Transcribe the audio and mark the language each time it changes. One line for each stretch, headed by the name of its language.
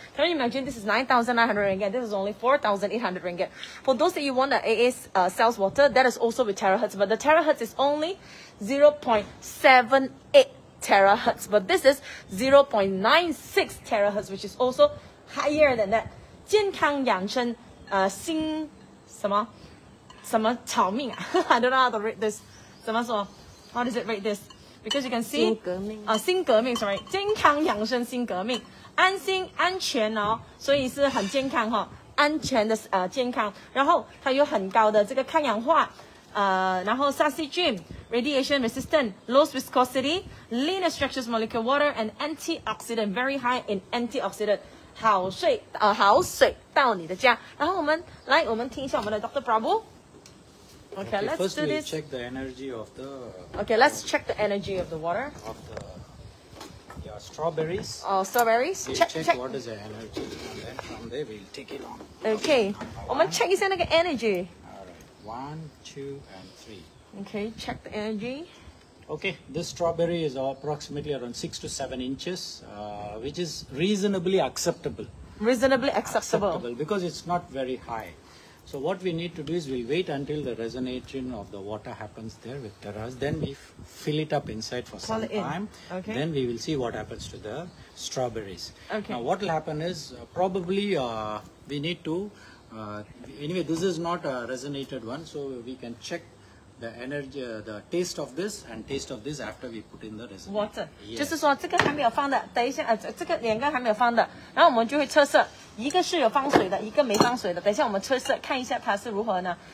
English: Can you imagine this is 9,900 ringgit? This is only 4,800 ringgit. For those that you want the AA cells water, that is also with terahertz. But the terahertz is only 0.78 terahertz. But this is 0.96 terahertz, which is also higher than that.
Chinese: 健康养生心什么什么草命啊?
English: I don't know how to read this.
Chinese: 怎么说?
English: How does it read this? Because you can see,
Chinese: 新革命
English: sorry,
Chinese: 健康养生新革命，安心安全哦，所以是很健康哈、哦，安全的健康。然后它有很高的这个抗氧化，然后杀细菌
English: ，radiation resistant, low viscosity, lean structures molecule water and antioxidant, very high in antioxidant.
Chinese: 好水好水到你的家。然后我们来，我们听一下我们的 Dr.
English: Prabhu。 Okay, let's first do we this. Check the energy of the. Okay, let's check the energy of the water. Of the, yeah, strawberries. Oh, strawberries. We check what is the energy, and then from there we'll take it on.
Chinese: Okay, 我们 check 一下那个 energy.
English: Alright, 1, 2, and 3. Okay, check the energy. Okay, this strawberry is approximately around 6 to 7 inches, which is reasonably acceptable. Reasonably acceptable. Acceptable because it's not very high. So what we need to do is we'll wait until the resonating of the water happens there with terahertz. Then we fill it up inside for some time. Okay. Then we will see what happens to the strawberries. Okay. Now what will happen is probably we need to, anyway, this is not a resonated one. So we can check the energy, the taste of this and taste of this after we put in the resonator. Water. Yes.
Chinese: 就是说这个还没有放的，等一下，这个两个还没有放的，然后我们就会测试。一个是有放水的，一个没放水的。等一下我们测试看一下它是如何呢？